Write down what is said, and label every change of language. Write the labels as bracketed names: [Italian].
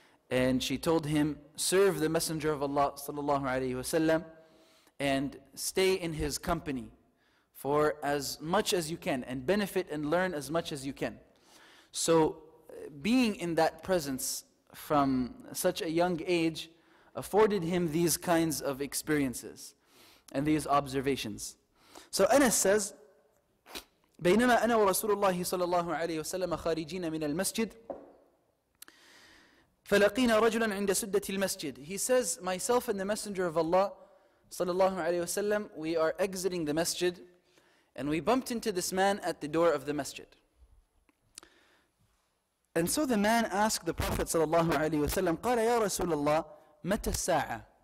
[English] And she told him, serve the Messenger of Allah sallallahu alaihi wasallam and stay in his company for as much as you can and benefit and learn as much as you can. So being in that presence from such a young age afforded him these kinds of experiences and these observations. So Anas says, [Arabic] بينما أنا ورسول الله صلى الله عليه وسلم خارجين من المسجد فلقينا رجلا عند سدة المسجد. [English] He says, myself and the Messenger of Allah صلى الله عليه وسلم, we are exiting the masjid and we bumped into this man at the door of the masjid. And so the man asked the Prophet sallallahu alaihi wasallam, [Arabic] قال يا رسول الله متى الساعة.